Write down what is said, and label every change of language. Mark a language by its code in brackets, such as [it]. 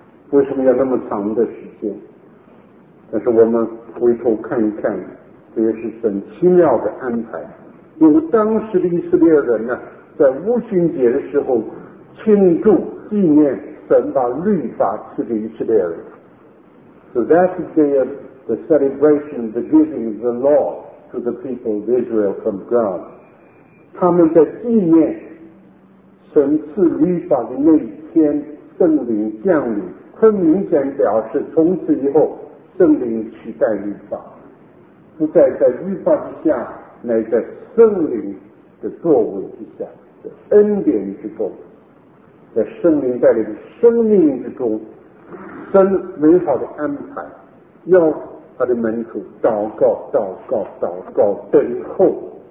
[zh] 为什么要那么长的时间？但是我们回头看一看，这也是很奇妙的安排。因为当时的以色列人呢，在无旬节的时候庆祝纪念神把律法赐给以色列人。 [en] So that's the day of the celebration, the giving of the law to the people of Israel from God. [zh] 他们在纪念神赐律法的那一天，圣灵降临，很明显表示从此以后圣灵取代律法，不再在律法之下，乃在圣灵的作为之下，在恩典之中，在圣灵带领的生命之中，神美好的安排，要他的门徒祷告祷告祷告等候。